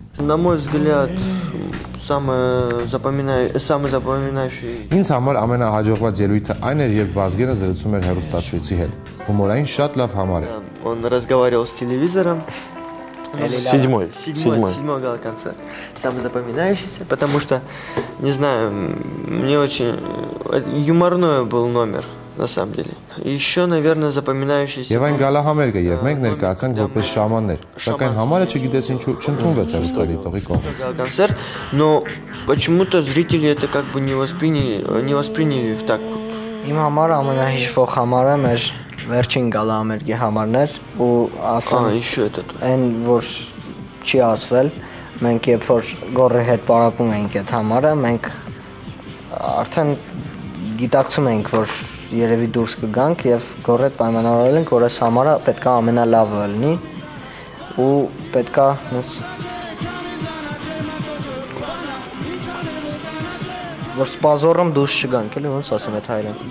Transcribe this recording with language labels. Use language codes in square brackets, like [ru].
[ru] На мой взгляд, самый запоминающий. [hy] Ինձ համար ամենահաջողված ելույթը այն էր, երբ Վազգենը զրուցում էր հեռուստացույցի հետ։ Հումորային շատ լավ համար էր։ [ru] Он разговаривал с телевизором. Седьмой гала концерт. Самый запоминающийся, потому что, не знаю, мне очень юморной был номер. На самом деле. Еще, наверное, запоминающийся. [hy] Եվ այն գալահամերգը, երբ մենք ներկայացանք որպես շամաններ, սակայն համարը չգիտես ինչու չընդունվեց հեռուստադիտողի կողմից. [ru] Но почему-то зрители это как бы не восприняли так. [hy] Իմ համար ամենահիշվող համարը մեր վերջին գալահամերգի համարն էր, ու ասեմ, [ru] ещё этот. [hy] Այն որ չի ասվել, մենք երբ որ գորի հետ պարապում ենք այդ համարը, մենք արդեն գիտակցում ենք, որ երևի դուրս կգանք և գորհետ պայմանավորվել ենք, որ այս համարը պետք է ամենալավը լինի ու պետք է որ սպազորը դուրս չգանք, էլի ոնց ասեմ այդ հայերեն։